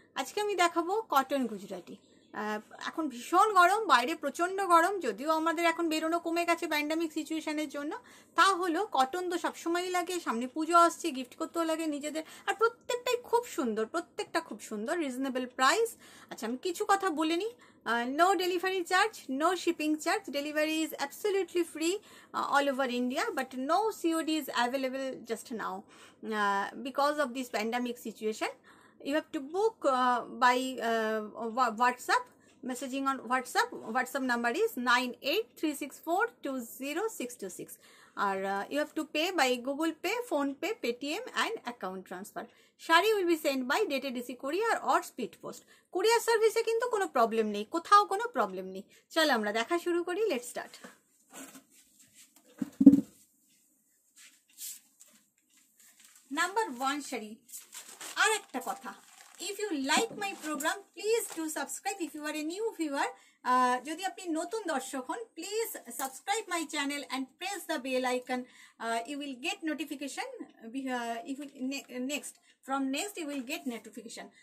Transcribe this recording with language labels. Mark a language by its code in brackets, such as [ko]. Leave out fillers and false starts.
[bn] আজকে আমি দেখাবো কটন গুজরাটি। এখন ভীষণ গরম, বাইরে প্রচণ্ড গরম, যদিও আমাদের এখন বেরোনো কমে গেছে প্যান্ডামিক সিচুয়েশনের জন্য, তা হলো কটন তো সবসময়ই লাগে, সামনে পুজো আসছে, গিফট করতেও লাগে নিজেদের, আর প্রত্যেকটাই খুব সুন্দর, প্রত্যেকটা খুব সুন্দর, রিজনেবল প্রাইস। আচ্ছা, আমি কিছু কথা বলে নিই। [en] No delivery charge, no shipping charge, delivery is absolutely free all over India, but no COD is available just now because of this pandemic situation. You have to book by WhatsApp, messaging on WhatsApp. WhatsApp number is 9836420626. You have to pay by Google Pay, Phone Pay, Paytm and account transfer. Shari will be sent by Data DC Courier or Speed Post. [bn] Courier service কিন্তু কোনো problem নেই, কোথাও কোনো problem নেই। চল আমরা দেখা শুরু করি, [en] Let's start. [bn] Number one sari. আর একটা কথা, [en] if you like my programme please do subscribe, if you are a new viewer, [bn] যদি আপনি নতুন দর্শক হন [en] Please subscribe my channel and press the bell icon, you will get notification if next from next you will get notification.